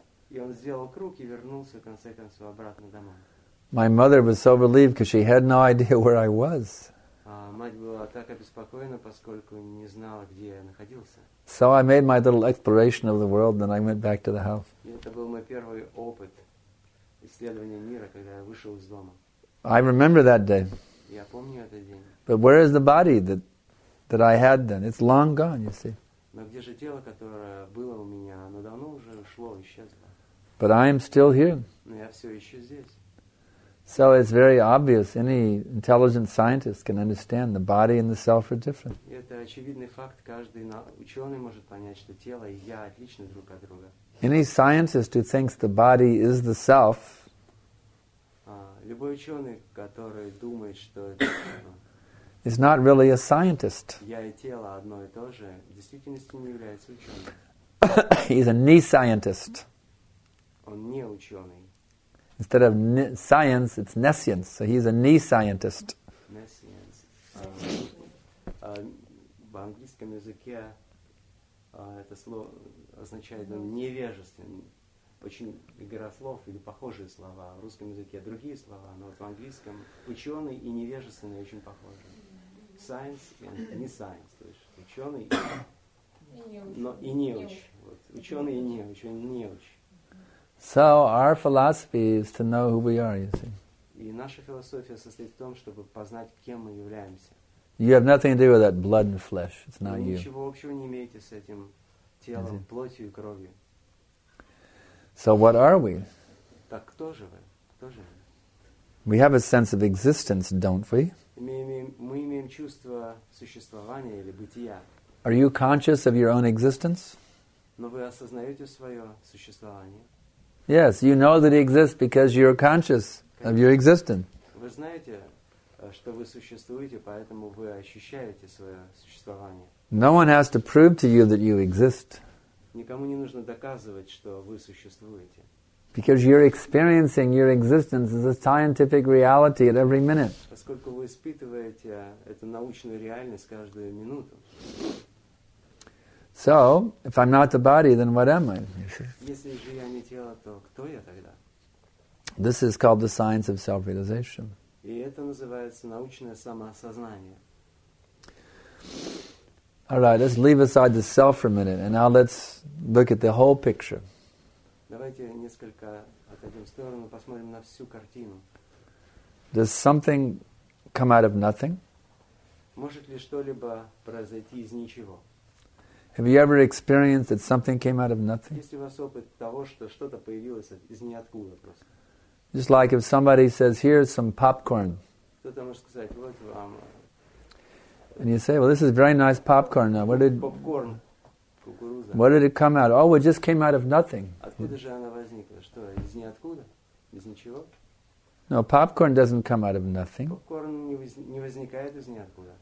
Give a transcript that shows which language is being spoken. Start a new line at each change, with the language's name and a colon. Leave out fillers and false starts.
Russian: И он сделал круг и вернулся, в конце концов, обратно домой.
English: My mother was so relieved because she had no idea where I was.
Russian: Мать была так обеспокоена, поскольку не знала, где я находился.
English: So I made my little exploration of the world, then I went back to the house.
Russian: И это был мой первый опыт исследования мира, когда я вышел из дома.
English: I remember that day.
Russian: Я помню этот день.
English: But where is the body that I had then? It's long gone, you see.
Russian: Но где же тело, которое было у меня? Оно давно уже ушло, исчезло.
English: But I am still here.
Russian: Но я все еще здесь.
English: So it's very obvious, any intelligent scientist can understand the body and the self are different.
Russian: Это очевидный факт, каждый ученый может понять, что тело и я отличны друг от друга.
English: Any scientist who thinks the body is the self,
Russian: любой ученый, который думает, что это,
English: is not really a scientist.
Russian: Я и тело одно и то же, в действительности не является ученым.
English: He's a ne-scientist.
Russian: Он не ученый.
English: Instead of science, it's nescience. So he's a ne-scientist. Nescience.
Russian: В английском языке это слово означает невежественный. очень игра слов или похожие слова в русском языке, другие слова, но вот в английском ученый и невежественный очень похожи.
English: Science and
Russian: не science, то есть ученый, но и неуч. Вот, ученый и неуч, он неуч.
English: So our philosophy is to know who we are, you see.
Russian: И наша философия состоит в том, чтобы познать, кем мы являемся.
English: You have nothing to do with that blood and flesh. It's not you.
Russian: Ничего общего не имеете с этим телом, плотью и кровью.
English: So what are we?
Russian: Так кто же вы? Кто же вы?
English: We have a sense of existence, don't we?
Russian: Мы имеем чувство существования или бытия.
English: Are you conscious of your own existence?
Russian: Но вы осознаете свое существование?
English: Yes, you know that it exists because you're conscious of your existence.
Russian: Вы знаете, что вы существуете, поэтому вы ощущаете свое существование.
English: No one has to prove to you that you exist.
Russian: Никому не нужно доказывать, что вы существуете.
English: Because you're experiencing your existence as a scientific reality at every minute.
Russian: Поскольку вы испытываете эту научную реальность каждую минуту.
English: So, if I'm not the body, then what am I?
Russian: Если же я не тело, то кто я тогда?
English: This is called the science of self-realization.
Russian: И это называется научное самоосознание.
English: All right, let's leave aside the self for a minute, and now let's look at the whole picture.
Russian: Давайте несколько отойдем в сторону, посмотрим на всю картину.
English: Does something come out of nothing?
Russian: Может ли что-либо произойти из ничего?
English: Have you ever experienced that something came out of nothing?
Russian: Есть ли у вас опыт того, что что-то появилось из ниоткуда просто?
English: Just like if somebody says, "Here's some popcorn."
Russian: Кто-то может сказать, вот вам.
English: And you say, well, this is very nice popcorn. Now, where did
Russian: popcorn, кукуруза.
English: Where did it come out? Oh, it just came out of nothing.
Russian: Откуда же она возникла? Что, из ниоткуда? Из ничего?
English: No, popcorn doesn't come out of nothing.
Russian: Popcorn не возникает из ниоткуда.